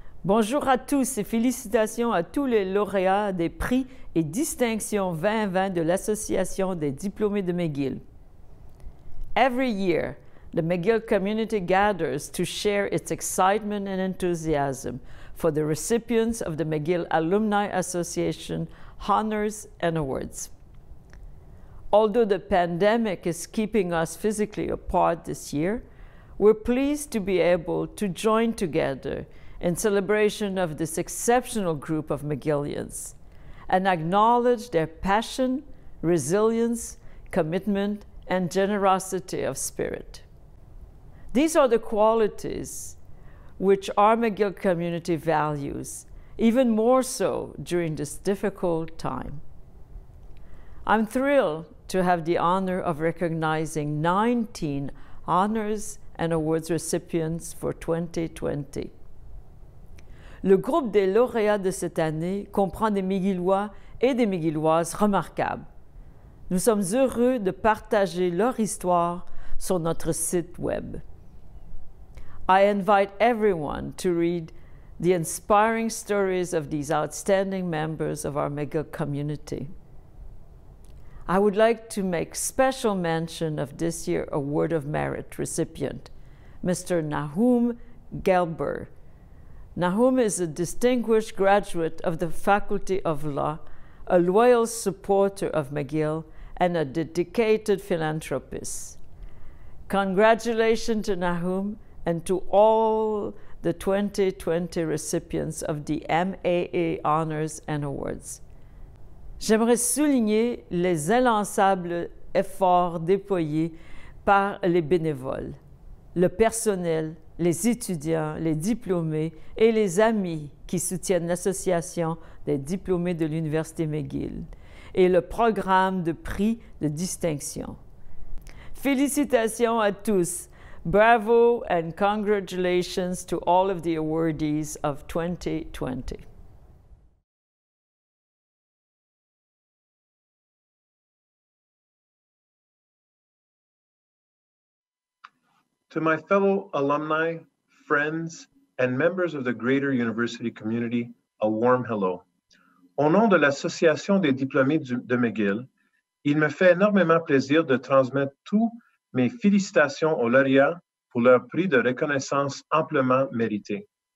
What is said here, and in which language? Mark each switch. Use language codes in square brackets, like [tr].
[fr] Bonjour à tous et félicitations à tous les lauréats des prix et distinctions 2020 de l'Association des diplômés de McGill. [en] Every year, the McGill community gathers to share its excitement and enthusiasm for the recipients of the McGill Alumni Association honors and awards. Although the pandemic is keeping us physically apart this year, we're pleased to be able to join together in celebration of this exceptional group of McGillians and acknowledge their passion, resilience, commitment, and generosity of spirit. These are the qualities which our McGill community values, even more so during this difficult time. I'm thrilled to have the honor of recognizing 19 honors and awards recipients for 2020. [fr] Le groupe des lauréats de cette année comprend des McGillois et des McGilloises remarquables. Nous sommes heureux de partager leur histoire sur notre site web. [en] I invite everyone to read the inspiring stories of these outstanding members of our McGill community. I would like to make special mention of this year's Award of Merit recipient, Mr. Nahum Gelber. Nahum is a distinguished graduate of the Faculty of Law, a loyal supporter of McGill, and a dedicated philanthropist. Congratulations to Nahum and to all the 2020 recipients of the MAA Honors and Awards. [fr] J'aimerais souligner les inlassables efforts déployés par les bénévoles, le personnel, les étudiants, les diplômés et les amis qui soutiennent l'Association des diplômés de l'Université McGill et le programme de prix de distinction. Félicitations à tous! [en] Bravo and congratulations to all of the awardees of 2020. To my fellow alumni, friends, and members of the greater university community, a warm hello. [fr] Au nom de l'Association des diplômés de McGill, il me fait énormément plaisir de transmettre toutes mes félicitations aux lauréats pour leur prix de reconnaissance amplement mérité.